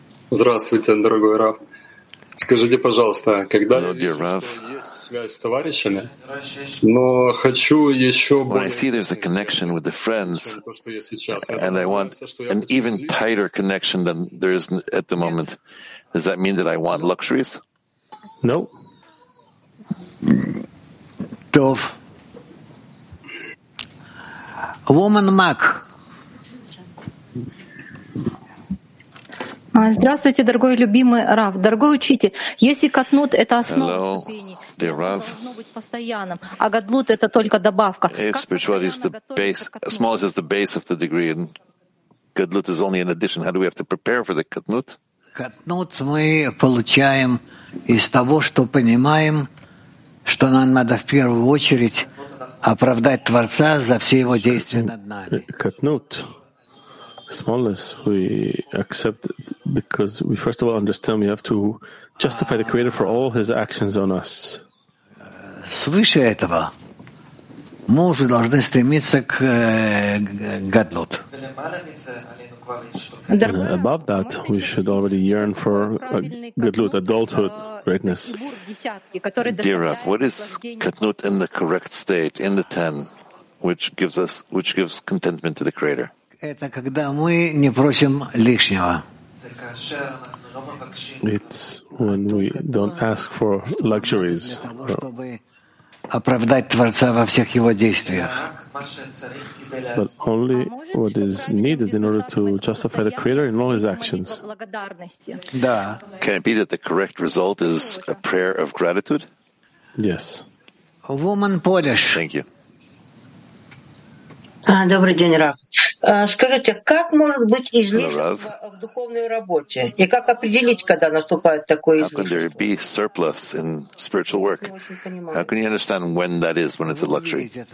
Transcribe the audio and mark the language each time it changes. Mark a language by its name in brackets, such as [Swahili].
[Russian] Здравствуйте, дорогой Рав. Скажите, пожалуйста, когда есть связь с товарищами, но хочу еще больше. [English] When I see there's a connection with the friends, and I want an even tighter connection than there is at the moment, does that mean that I want luxuries? No. [Hebrew] Tov. [English] Woman Mac. [Russian] Здравствуйте, дорогой любимый Рав, дорогой учитель. Если катнут это основа ступени, то должно быть постоянным, а гадлут это только добавка. [English] If spirituality is the base, smallness is the base of the degree, and gadlut is only an addition, how do we have to prepare for the katnut? [Russian] Катнут мы получаем из того, что понимаем, что нам надо в первую очередь оправдать Творца за все его действия над нами. [English] Катнут. Smallness, we accept because we first of all understand we have to justify the Creator for all His actions on us. [Russian] Свыше этого мы уже должны стремиться к гадлут. [English] Above that, we should already yearn for gadlut, adulthood, greatness. Dear Rav, what is katnut in the correct state, in the ten, which gives contentment to the Creator? [Russian] Это когда мы не просим лишнего. [English] It's when we don't ask for luxuries. [Russian] Для того, чтобы оправдать Творца во всех его действиях. [English] but only what is needed in order to justify the Creator in all His actions. Can it be that the correct result is a prayer of gratitude? Yes. A woman Polish. Thank you. [Russian] Добрый день, Рав. Скажите, как может быть излишек в духовной работе? И как определить, когда наступает такое излишество? [English] How can there be surplus in spiritual work? How can you understand when that is, when it's a luxury?